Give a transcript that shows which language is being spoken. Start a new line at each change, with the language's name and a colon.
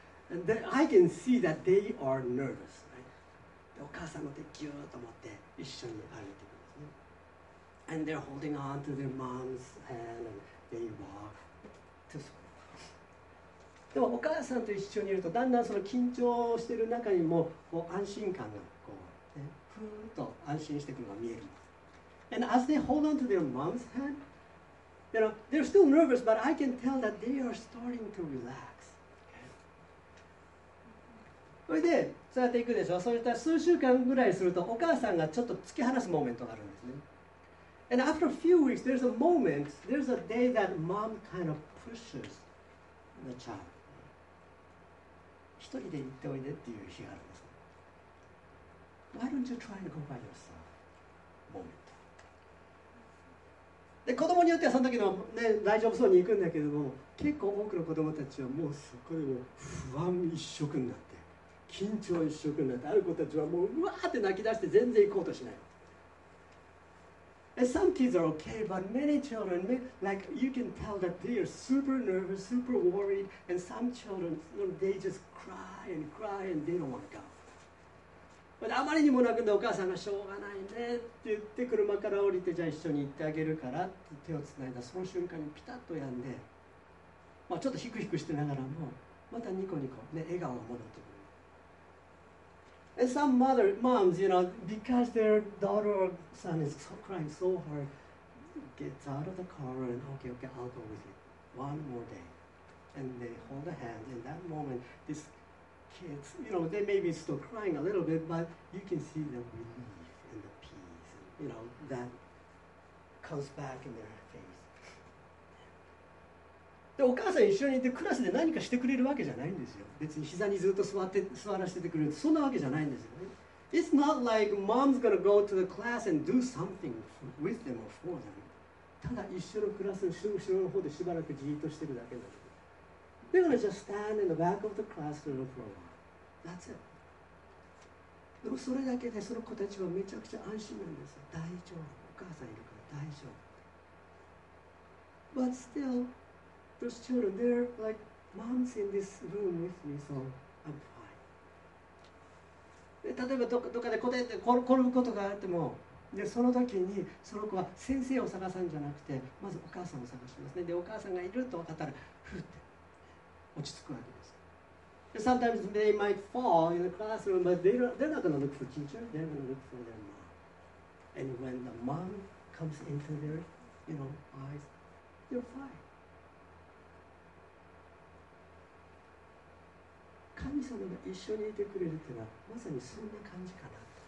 English: And then I can see that they are nervous, right?
Japanese: お母さんの手ぎゅーっと持って一緒に歩いてるんですね。
English: And they're holding on to their mom's hand and they walk to school.
Japanese: でもお母さんと一緒にいるとだんだんその緊張してる中にもこう安心感がこう、ね、ふーっと安心してくるのが見える。
English: And as they hold on to their mom's hand, you know, they're still nervous, but I can tell that they are starting to relax.
Japanese: それで、そうやっていくでしょ。そうしたら数週間ぐらいすると、お母さんがちょっと突き放すモーメントがあるんですね。
English: And after a few weeks, there's a moment, there's a day that mom kind of pushes the child.
Japanese: 一人で行っておいでっていう日があるんです。
English: Why don't you try to go by yourself? Moment.
Japanese: で、子供によってはその時の、ね、大丈夫そうに行くんだけども、結構多くの子供たちはもうそこでも不安一色になって、緊張一色になって、ある子たちはもううわーって泣き出して全然行こうとしない。
English: And some kids are okay, but many children, like you can tell that they are super nervous, super worried, and some children, they just cry and cry and they don't want to go. But
Japanese: あまりにも泣くんでお母さんがしょうがないねって言って車から降りてじゃあ一緒に行ってあげるからって手をつないだその瞬間にピタッとやんで、まあ、ちょっとヒクヒクしてながらもまたニコニコ、ね、笑顔が戻ってくる。
English: And some mother, moms, you know, because their daughter or son is so crying so hard, gets out of the car and, okay, okay, I'll go with you. One more day. And they hold a hand. In that moment, these kids, you know, they may be still crying a little bit, but you can see the relief and the peace, and, you know, that comes back in their face.
Japanese: で、お母さん一緒にいてクラスで何かしてくれるわけじゃないんですよ。別に膝にずっと座らせてくれる、そんなわけじゃないんですよね。
English: It's not like mom's gonna go to the class and do something with them or for them.
Japanese: ただ一緒のクラスの後ろの方でしばらくじーっとしてるだけなの。
English: They're gonna just stand in the back of the classroom for a while. That's it.
Japanese: でもそれだけでその子たちはめちゃくちゃ安心なんですよ。大丈夫。お母さんいるから大丈夫。
English: But still, those children, they're like, mom's in this room with me, so I'm fine.
Japanese: で例えばどこかで転ぶことがあってもでその時にその子は先生を探すんじゃなくてまずお母さんを探しますね。でお母さんがいると分かったらふって落ち着くわけです。
English: Sometimes they might fall in the classroom but they're not going to look for teacher, they're going to look for their mom. And when the mom comes into their, you know, eyes, they're fine.
Japanese: 神様が一緒にいてくれるっていうのはまさにそんな感じかな。